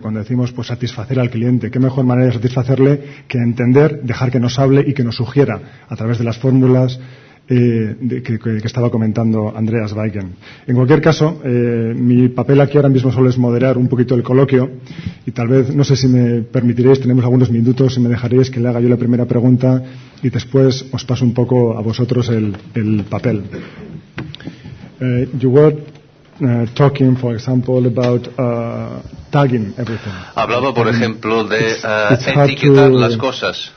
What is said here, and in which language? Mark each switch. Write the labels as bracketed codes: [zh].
[es] Cuando decimos, pues, satisfacer al cliente, ¿qué mejor manera de satisfacerle que entender, dejar que nos hable y que nos sugiera a través de las fórmulas que estaba comentando Andreas Baigen? En cualquier caso, mi papel aquí ahora mismo solo es moderar un poquito el coloquio y tal vez, no sé si me permitiréis, tenemos algunos minutos, si me dejaréis que le haga yo la primera pregunta y después os paso un poco a vosotros el papel. [en] You were talking, for example, about tagging everything. [es] Hablaba, por ejemplo, de etiquetar las cosas.